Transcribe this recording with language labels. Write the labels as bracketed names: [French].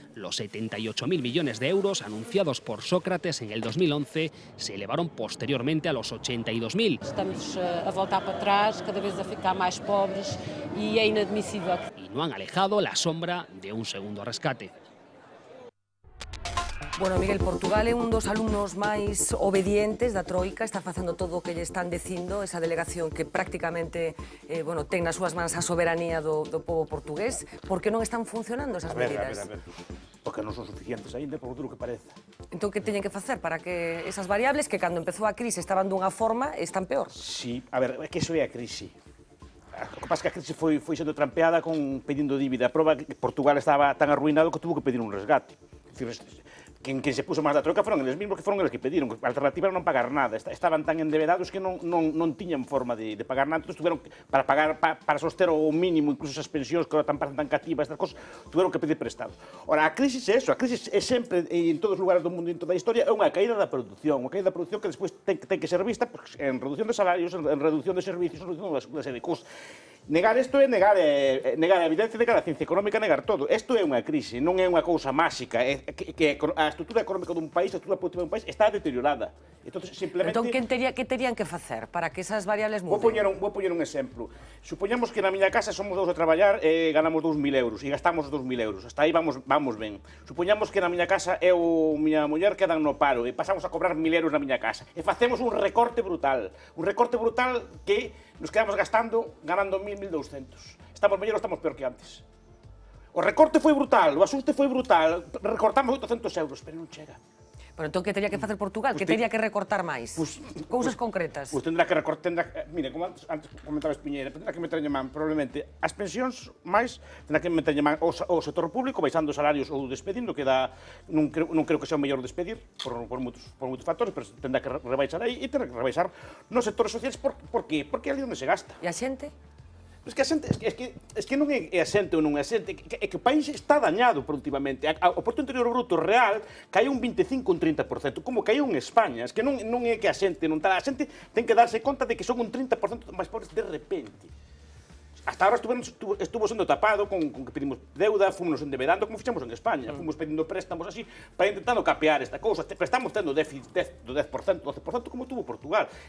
[Spanish] Los 78.000 millones de euros anunciados por Sócrates en el 2011 se elevaron posteriormente a los 82.000. [Portuguese] Estamos a voltar para atrás, cada vez a ficar más pobres [Spanish] y es inadmisible. Y no han alejado la sombra de un segundo rescate. [Galician] Bueno, Miguel, Portugal é un dos alumnos máis obedientes da Troika, está facendo todo o que lle están dicindo, esa delegación que prácticamente ten nas súas mans a soberanía do povo portugués. Por que non están funcionando esas medidas? A ver, porque non son suficientes ainda, por outro que parece. Entón, que teñen que facer para que esas variables, que cando empezou a crise estaban dunha forma, están peor? Sí, a ver, é que iso é a crise. O que pasa é que a crise foi sendo trampeada pedindo dívida. A prova é que Portugal estaba tan arruinado que tuvo que pedir un resgate. Quen se puso máis da troca foron eles mesmos, que foron eles que pediron. A alternativa era non pagar nada. Estaban tan endebedados que non tiñan forma de pagar nada. Entón, tuvieron para soster o mínimo, incluso esas pensións que ahora parecen tan cativas, estas cosas, tuvieron que pedir prestado. Ora, a crisis é eso. A crisis é sempre, en todos os lugares do mundo e en toda a historia, é unha caída da producción. Unha caída da producción que despois ten que ser vista en reducción de salarios, en reducción de servicios, en reducción de serie de cosas. Negar isto é negar a evidencia, negar a ciencia económica, negar todo. Isto é unha crise, non é unha cousa máxica. Que a estrutura económica dun país, a estrutura política dun país, está deteriorada. Entón, simplemente... Entón, que terían que facer para que esas variables muden? Vou poñer un exemplo. Supoñamos que na miña casa somos dous a traballar e ganamos 2.000 euros e gastamos 2.000 euros. Hasta aí vamos ben. Supoñamos que na miña casa eu ou miña muller quedan no paro e pasamos a cobrar 1.000 euros na miña casa. E facemos un recorte brutal. Un recorte brutal que nos quedamos gastando, ganando 1.200. Estamos mellor ou estamos peor que antes. O recorte foi brutal, o asuste foi brutal. Recortamos 800 euros, pero non chega. Pero entón, que teria que facer Portugal? Que teria que recortar máis? Cousas concretas? Pois tendrá que recortar... Mire, como antes comentabas, Piñeira, tendrá que meterlle man, probablemente, as pensións máis, tendrá que meterlle man o sector público, baixando os salarios ou despedindo, que non creo que sea o mellor despedir, por moitos factores, pero tendrá que rebaixar aí e tendrá que rebaixar nos sectores sociales. Por que? Porque é ali onde se gasta. E a xente? Es que non é a xente ou non é a xente, é que o país está dañado productivamente. O Producto Interior Bruto real caiu un 25 ou un 30%, como caiu en España. Es que non é que a xente non está. A xente ten que darse conta de que son un 30% máis pobres de repente. Hasta ahora estuvo sendo tapado con que pedimos deuda, fomos endevedando, como fichamos en España. Fomos pedindo préstamos así para intentando capear esta cousa. Pero estamos tendo déficit do 10%, 12%, como tuvo Portugal.